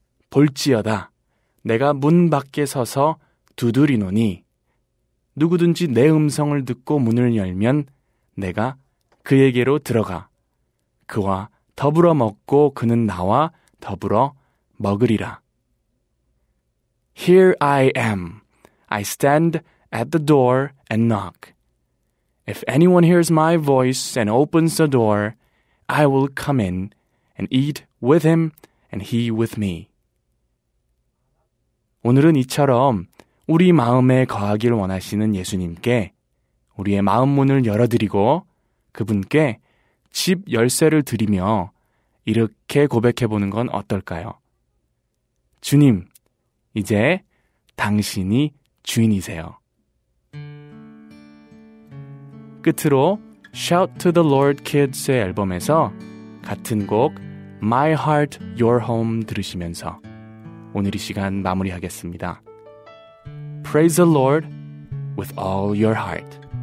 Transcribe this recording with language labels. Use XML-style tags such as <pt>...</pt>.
<ko>볼지어다 내가 문 밖에 서서 두드리노니 누구든지 내 음성을 듣고 문을 열면 내가 그에게로 들어가 그와 더불어 먹고 그는 나와 더불어 먹으리라.</ko> <en>Here I am. I stand at the door and knock. If anyone hears my voice and opens the door, I will come in and eat with him and he with me.</en> <ko>오늘은 이처럼 우리 마음에 거하길 원하시는 예수님께 우리의 마음 문을 열어드리고 그분께 집 열쇠를 드리며 이렇게 고백해보는 건 어떨까요? 주님, 이제 당신이 주인이세요. 끝으로 Shout to the Lord Kids의 앨범에서 같은 곡 My Heart, Your Home 들으시면서 오늘 이 시간 마무리하겠습니다.</ko> <en>Praise the Lord with all your heart.</en>